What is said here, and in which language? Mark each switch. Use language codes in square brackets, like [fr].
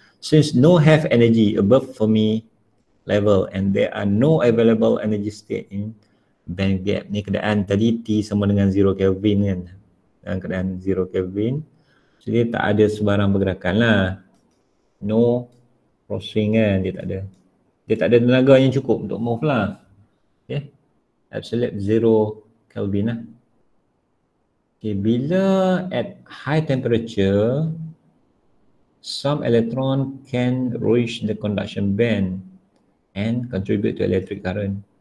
[en] Since no half energy above Fermi level and there are no available energy state in band gap. [ms] Ni keadaan tadi T sama dengan 0 Kelvin kan. Dan keadaan 0 Kelvin. Jadi tak ada sebarang pergerakan lah. [en] No crossing [ms] kan, dia tak ada. Dia tak ada tenaga yang cukup untuk move lah. [en] Okay. Absolute 0 Kelvin lah. Okay, [ms] bila [en] at high temperature, some electron can reach the conduction band and contribute to electric current.